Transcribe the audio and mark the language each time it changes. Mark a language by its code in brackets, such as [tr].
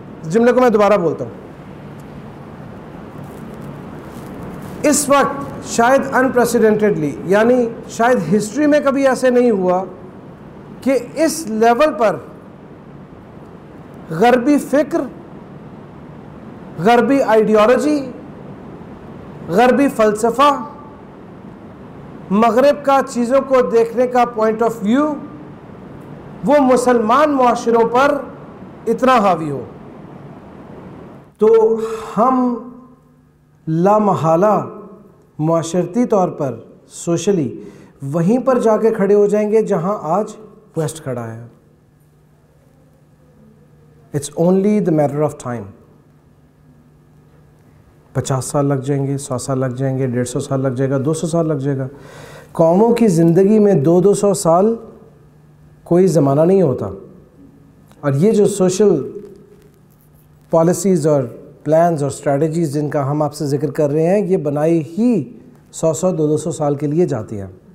[ur] جملے کو میں دوبارہ بولتا ہوں، اس وقت شاید انپریسیڈنٹڈلی یعنی شاید ہسٹری میں کبھی ایسے نہیں ہوا کہ اس لیول پر غربی فکر، غربی آئیڈیالوجی، غربی فلسفہ، مغرب کا چیزوں کو دیکھنے کا پوائنٹ آف ویو، وہ مسلمان معاشروں پر اتنا حاوی ہو. تو ہم لا محالہ معاشرتی طور پر سوشلی وہیں پر جا کے کھڑے ہو جائیں گے جہاں آج ویسٹ کھڑا ہے. [en] It's only the matter of time. [ur] 50 سال لگ جائیں گے، 100 سال لگ جائیں گے، 150 سال لگ جائے گا، 200 سال لگ جائے گا. قوموں کی زندگی میں 200 سال کوئی زمانہ نہیں ہوتا. اور یہ جو سوشل پالیسیز اور پلانز اور اسٹریٹجیز جن کا ہم آپ سے ذکر کر رہے ہیں، یہ بنائی ہی 100-200 سال کے لیے جاتی ہیں.